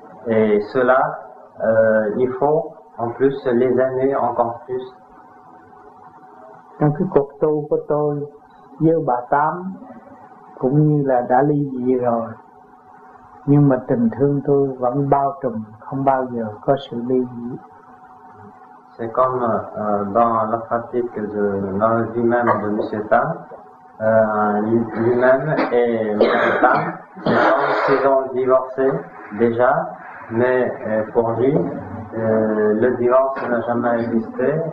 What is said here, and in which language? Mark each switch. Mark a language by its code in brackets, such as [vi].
[fr] Et cela, il faut en plus les aimer encore plus. Dans le [vi] cuộc tu của tôi, với bà Tám, cũng như là đã ly dị rồi, nhưng mà tình thương tôi vẫn bao trùm, không bao giờ có sự ly dị. [fr] C'est comme dans la pratique de la vie même de M. Tam, lui-même et M. Tam, c'est comme s'ils ont divorcé déjà, mais pour lui, le divorce n'a jamais existé.